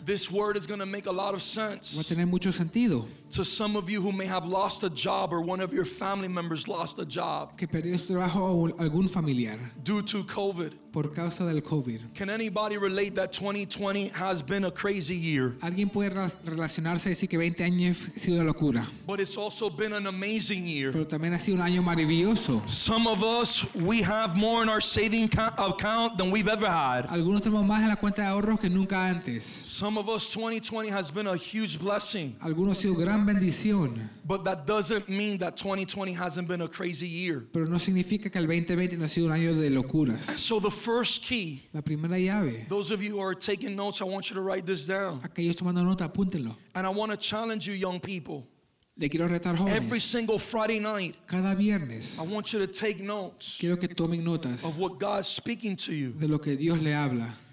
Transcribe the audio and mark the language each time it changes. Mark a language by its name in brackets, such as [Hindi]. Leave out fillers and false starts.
[English] This word is going to make a lot of sense. [Spanish] Va a tener mucho sentido. [English] To some of you who may have lost a job or one of your family members lost a job. [Spanish] Que perdió su trabajo o algún familiar. [English] Due to COVID. [Spanish] Por causa del COVID. [English] Can anybody relate that 2020 has been a crazy year? [Spanish] ¿Alguien puede relacionarse y decir que 20 años ha sido una locura? [English] But it's also been an amazing year. [Spanish] Pero también ha sido un año maravilloso. [English] Some of us, we have more in our saving account than we've ever had. [Spanish] Algunos tenemos más en la cuenta de ahorros que nunca antes. [English] Some of us, 2020 has been a huge blessing. [Spanish] Algunos ha sido gran bendición. [English] But that doesn't mean that 2020 hasn't been a crazy year. [Spanish] Pero no significa que el 2020 no ha sido un año de locuras. [English] So the first key. [Spanish] La primera llave. [English] Those of you who are taking notes, I want you to write this down. [Spanish] Aquellos tomando nota, apúntenlo. [English] And I want to challenge you, young people. [Spanish] Le quiero retar, jóvenes. [English] Every single Friday night. [Spanish] Cada viernes. [English] I want you to take notes. [Spanish] Quiero que tomen notas. [English] Of what God's speaking to you. [Spanish] De lo que Dios le habla.